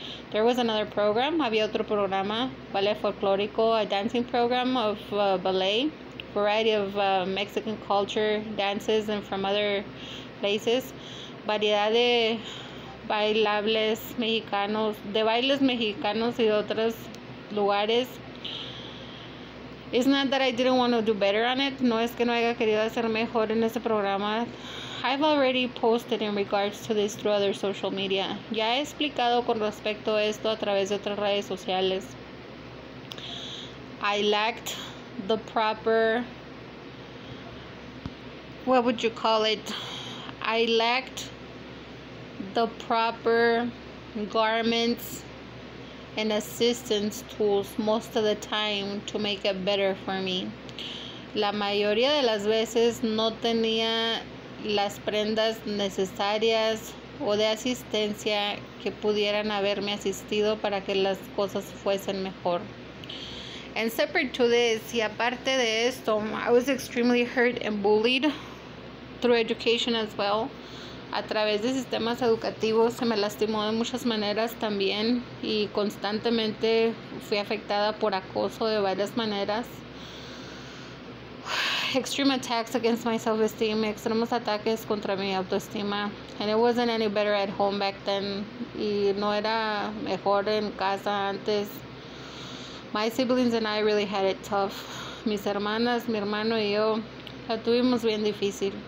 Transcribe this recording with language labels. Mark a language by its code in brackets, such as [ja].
[en] There was another program, [es] había otro programa, [en] ballet folclórico, a dancing program of ballet, variety of Mexican culture dances and from other places, [es] variedad de bailables mexicanos, de bailes mexicanos y de otros lugares. [en] It's not that I didn't want to do better on it. [es] No es que no haya querido hacer mejor en ese programa. [en] I've already posted in regards to this through other social media. [es] Ya he explicado con respecto a esto a través de otras redes sociales. [en] I lacked the proper, what would you call it? I lacked the proper garments and assistance tools most of the time to make it better for me. [es] La mayoría de las veces no tenía las prendas necesarias o de asistencia que pudieran haberme asistido para que las cosas fuesen mejor. [en] And separate to this, [es] y aparte de esto, [en] I was extremely hurt and bullied through education as well. [es] A través de sistemas educativos se me lastimó de muchas maneras también y constantemente fui afectada por acoso de varias maneras. [en] extreme attacks against my self-esteem, [es] extremos ataques contra mi autoestima. [en] And it wasn't any better at home back then. [es] Y no era mejor en casa antes. [en] My siblings and I really had it tough. [es] Mis hermanas, mi hermano y yo, la tuvimos bien difícil.